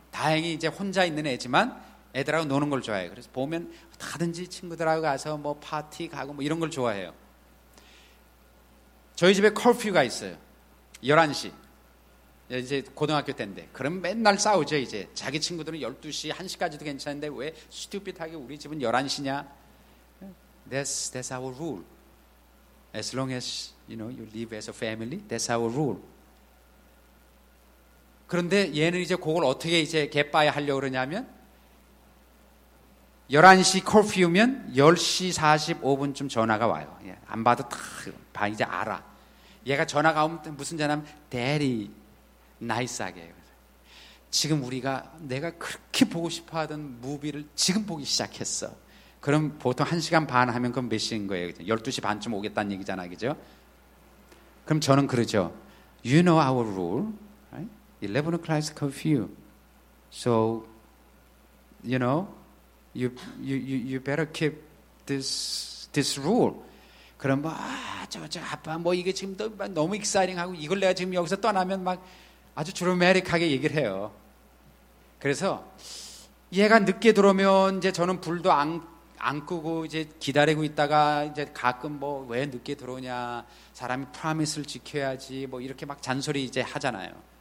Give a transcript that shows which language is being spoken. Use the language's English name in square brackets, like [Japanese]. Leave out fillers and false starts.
[Korean] 다행히 이제 혼자 있는 애지만 애들하고 노는 걸 좋아해요. 그래서 보면 다든지 친구들하고 가서 뭐 파티 가고 뭐 이런 걸 좋아해요. 저희 집에 커퓨가 있어요. 11시. 이제 고등학교 때인데. 그럼 맨날 싸우죠, 이제. 자기 친구들은 12시, 1시까지도 괜찮은데 왜 스튜핏하게 우리 집은 11시냐? [English] That's our rule. As long as you know you live as a family, that's our rule. [Korean] 그런데 얘는 이제 그걸 어떻게 이제 개빠야 하려고 그러냐면 11시 커피우면 10시 45분쯤 전화가 와요. 예, 안 봐도 다 이제 알아. 얘가 전화가 오면 무슨 전화냐면 Daddy, 나이스하게. 지금 우리가 내가 그렇게 보고 싶어하던 무비를 지금 보기 시작했어. 그럼 보통 1시간 반 하면 그럼 몇 시인 거예요? 그죠? 12시 반쯤 오겠다는 얘기잖아요. 그죠? 그럼 저는 그러죠. [English] You know our rule. Right? 11 o'clock curfew. So, you know, you better keep this rule. [Korean] 그럼 뭐, 아빠 뭐 이게 지금 너무 익사이팅하고 이걸 내가 지금 여기서 떠나면 막 아주 드라마틱하게 얘기를 해요. 그래서 얘가 늦게 들어오면 이제 저는 불도 안 끄고 이제 기다리고 있다가 이제 가끔 뭐 왜 늦게 들어오냐 사람이 프라미스를 지켜야지 뭐 이렇게 막 잔소리 이제 하잖아요.